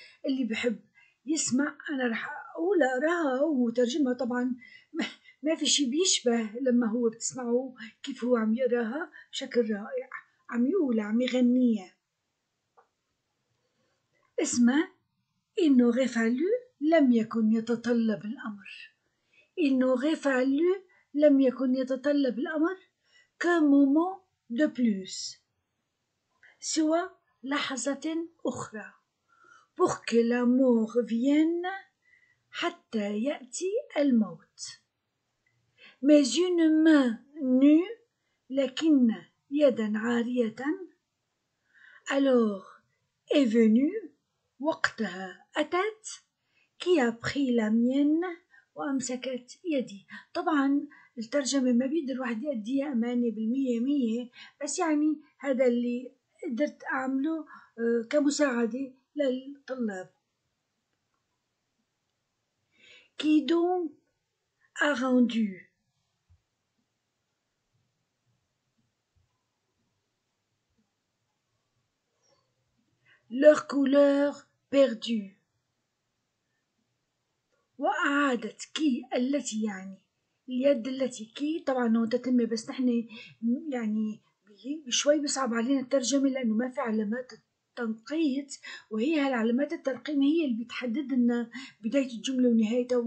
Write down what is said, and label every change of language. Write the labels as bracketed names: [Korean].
[Arabic] اللي بحب يسمع أنا رح أقول أقراها وترجمها، طبعا ما في شي بيشبه لما هو بتسمعه كيف هو عم يقراها بشكل رائع، عم يقول عم يغنيها. اسمه [French] Il n'aurait fallu، [Arabic] لم يكن يتطلب الأمر. [French] Il n'aurait fallu، [Arabic] لم يكن يتطلب الأمر، [French] qu'un moment de plus، [Arabic] سوى لحظة أخرى، [French] pour que la mort vienne، [Arabic] حتى يأتي الموت. [French] Mais une main nue، [Arabic] لكن يدا عارية، [French] alors est venue، [Arabic] وقتها أتت، [French] qui a pris la mienne، [Arabic] وأمسكت يدي. طبعا الترجمة ما بيقدر الواحد يأديها أماني بالمية مية، بس يعني هذا اللي قدرت أعمله كمساعدة للطلاب. [French] Qui donc a rendu؟ Leur couleur perdue. [Arabic] وأعادت، كي التي يعني اليد التي، كي طبعا هو تتم، بس نحن يعني شوي بصعب علينا الترجمة لأنه ما في علامات تنقيط، وهي هالعلامات الترقيم هي اللي بتحدد لنا بداية الجملة ونهايتها.